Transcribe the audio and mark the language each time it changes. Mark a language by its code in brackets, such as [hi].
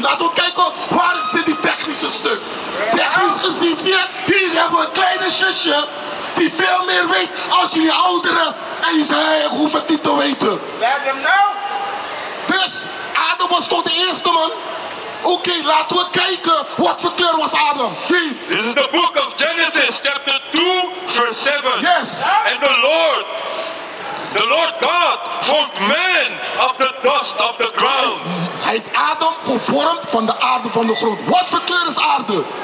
[nl] Laten we kijken, waar zit die technische stuk? Technisch gezien, zie je? Hier hebben we een kleine zusje die veel meer weet als jullie ouderen. En die zei, hey, ik hoef het niet te weten. [en] Let them know. [nl] Dus, Adam was toch de eerste man? Oké, laten we kijken, wat voor kleur was Adam? Hier. [en] This is the book of Genesis, chapter 2, verse 7. Yes. And the Lord God formed man of the dust of the ground. [nl] Hij heeft Adam gevormd van de aarde van de grond. Wat voor kleur is aarde?